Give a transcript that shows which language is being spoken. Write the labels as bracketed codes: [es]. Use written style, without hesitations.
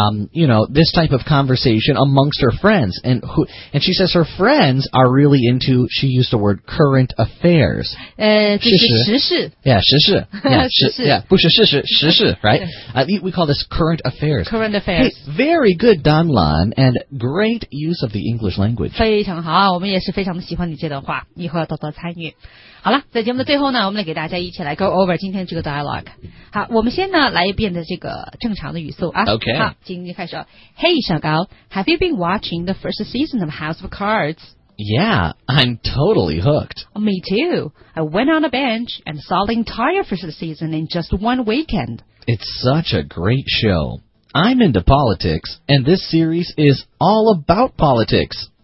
[en] you know, this type of conversation amongst her friends. And who, and she says her friends are really into, she used the word, current affairs. [zh] 时事。 [en] We call this current affairs. Current affairs. Hey, very good, Don Lan, and great use of the English language. [zh] 非常好，我们也是非常的喜欢你这段话，以后要多多参与。好了，在节目的最后呢，我们来给大家一起来 [en] go over [zh] 今天这个 dialogue。好，我们先呢来一遍的这个正常的语速啊。 [en] OK。 [zh] 好，今天开始。 [en] Hey, 小高 ，Have you been watching the first season of House of Cards? Yeah, I'm totally hooked. Me too. I went on a binge and saw the entire first season in just one weekend. It's such a great show. I'm into politics, and this series is all about politics.